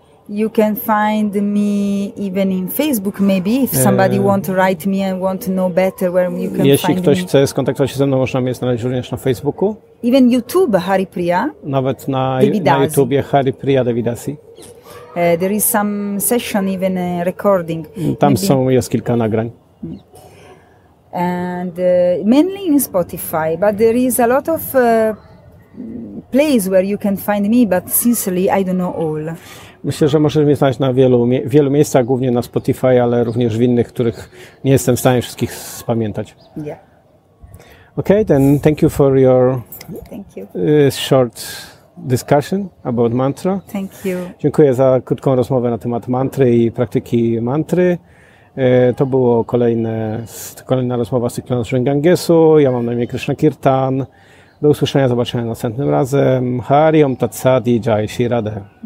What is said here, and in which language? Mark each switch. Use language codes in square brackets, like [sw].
[en] You can find me even in Facebook maybe if somebody want to write me and want to know better where you can find me. [pl] Jeśli ktoś chce skontaktować się ze mną, można mnie znaleźć również na Facebooku. [en] Even YouTube Hari Priya. [pl] Nawet na YouTubie Hari Priya Devidasi. [en] There is some session even a recording. [pl] Tam maybe. Jest kilka nagrań. [en] And mainly in Spotify, but there is a lot of place where you can find me, but sincerely I don't know all. [pl] Myślę, że możesz mnie znaleźć na wielu miejscach, głównie na Spotify, ale również w innych, których nie jestem w stanie wszystkich spamiętać. [en] Yeah. Okay, then thank you for your short discussion about mantra. Thank you. [pl] Dziękuję za krótką rozmowę na temat mantry i praktyki mantry. To było kolejna rozmowa z cyklu Nauczyłem Gangesu. Ja mam na imię Krishna Kirtan. Do usłyszenia, zobaczenia następnym razem. Hari Om Tat Sat i Jai Shri Radhe.